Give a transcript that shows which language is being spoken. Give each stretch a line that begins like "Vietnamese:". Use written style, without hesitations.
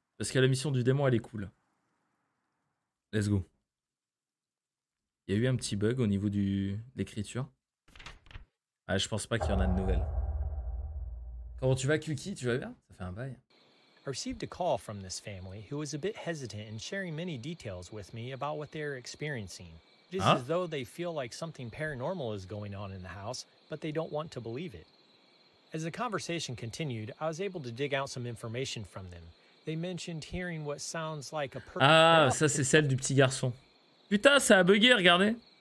French: Parce que la mission du démon, elle est cool.
English: Let's go.
French: Il y a eu un petit bug au niveau de l'écriture. Ah, je pense pas qu'il y en a de nouvelles. Comment tu vas, Kuki? Tu vas bien? Ça fait un bail.
English: I received a call from this family who was a bit hesitant in sharing many details with me about what they are experiencing. It's as though they feel like something paranormal is going on in the house, but they don't want to believe it. As the conversation continued, I was able to dig out some information from them. They mentioned hearing what sounds like a person.
French: Ah, ça c'est celle du petit garçon. Putain, ça a bugué, regardez.